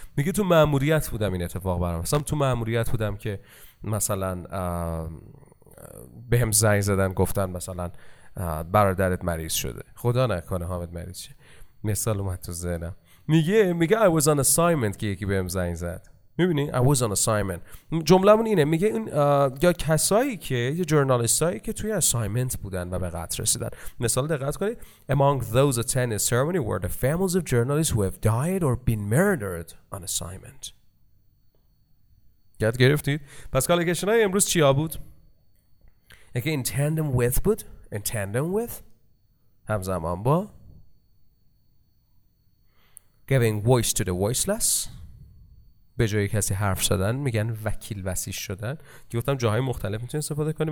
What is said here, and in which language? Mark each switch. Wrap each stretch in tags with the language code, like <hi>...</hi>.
<fa>میگه تو مأموریت بودم این اتفاق برام. مثلا تو مأموریت بودم که مثلا به هم زنگ زدن گفتن مثلا برادرت مریض شده. خدا نکنه حامد مریض شه. مثال اومد تو ذهنم. میگه</fa> <en>I was on assignment</en> <fa>که یکی به هم زنگ زد. میبینی؟ I was on assignment. جمله من اینه. میگه اون یا کسایی که یه جورنالیست هایی که توی assignment بودن و به قطر رسیدن. مثال دقت کنید.</fa> <en>Among those attending the ceremony were the families of journalists who have died or been murdered on assignment.</en> <fa>یاد گرفتید؟ پس کالیکشن های امروز چیا بود؟ یکی in tandem with بود.</fa> <en>In tandem with.</en> <fa>همزمان با.</fa> <en>Giving voice to the voiceless.</en> <fa>به جای کسی حرف زدن میگن وکیل وسیش شدن. گفتم جاهای مختلف میتونی استفاده کنی.</fa>